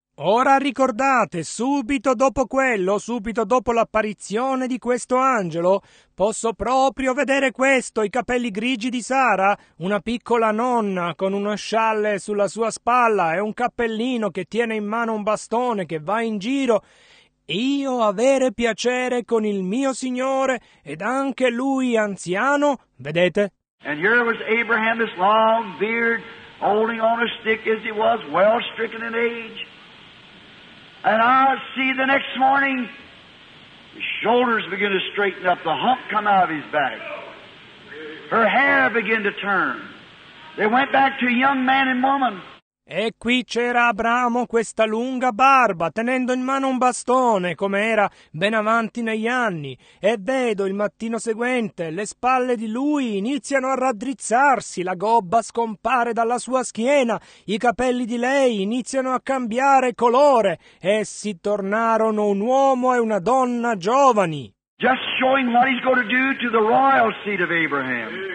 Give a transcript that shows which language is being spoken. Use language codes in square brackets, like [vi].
[it] Ora ricordate, subito dopo quello, subito dopo l'apparizione di questo angelo, posso proprio vedere questo, i capelli grigi di Sara, una piccola nonna con uno scialle sulla sua spalla e un cappellino che tiene in mano un bastone che va in giro. Io avere piacere con il mio Signore ed anche lui anziano, vedete? [en] And here was Abraham, this long beard, holding on a stick as he was, well stricken in age. And I see the next morning, his shoulders begin to straighten up, the hump come out of his back. Her hair began to turn. They went back to a young man and woman. [it] E qui c'era Abramo, questa lunga barba, tenendo in mano un bastone, come era ben avanti negli anni. E vedo il mattino seguente, le spalle di lui iniziano a raddrizzarsi, la gobba scompare dalla sua schiena, i capelli di lei iniziano a cambiare colore, essi tornarono un uomo e una donna giovani. [en] Just showing what he's going to do to the royal seed of Abraham.